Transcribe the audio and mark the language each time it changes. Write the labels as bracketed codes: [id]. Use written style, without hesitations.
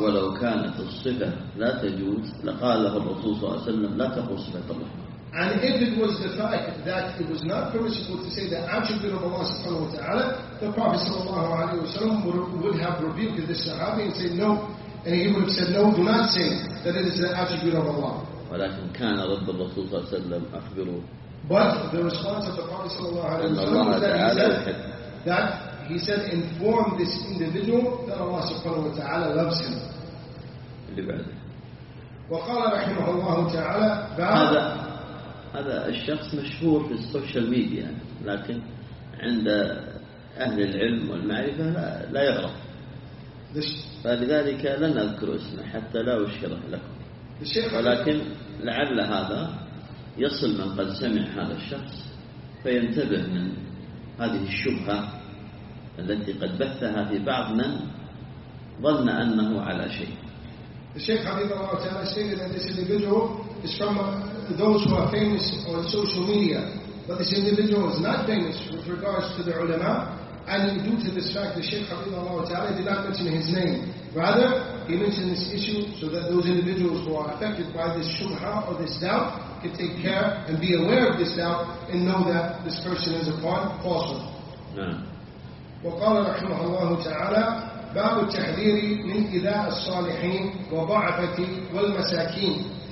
[ar] ولو كانت الصفة لا تجوز لقال له الرسول صلى الله عليه وسلم لا تقول صفة الله. [en] And if it was the fact that it was not permissible to say the attribute of Allah Subhanahu wa Taala, the Prophet sallallahu alaihi wasallam would have rebuked this Sahabi and said no, and he would have said no, do not say that it is the attribute of Allah. [ar] ولكن كان رب الرسول صلى الله عليه وسلم أخبره. [en] But the response of the Prophet [ar] صلى الله عليه وسلم [en] that he said inform this individual that Allah [ar] سبحانه وتعالى [en] loves him. [ar] اللي بعده. وقال رحمه الله تعالى هذا الشخص مشهور في السوشيال ميديا لكن عند أهل العلم والمعرفة لا يعرف. فلذلك لن أذكر اسمه حتى لا أشكره لكم. ولكن لعل هذا يصل من قد سمع هذا الشخص فينتبه من هذه الشبهة التي قد بثها في بعض من ظن أنه على شيء. الشيخ حبيب الله تعالى [en] stated that this individual is from those who are famous on social media, but this individual is not famous with regards to the ulama, and due to this fact the Sheikh حبيب الله تعالى did not mention his name. Rather, he mentioned this issue so that those individuals who are affected by this shubha or this doubt can take care and be aware of this doubt and know that this person is upon falsehood. [ar] وقال رحمه الله تعالى باب التحذير من إذاء الصالحين وضعفة والمساكين.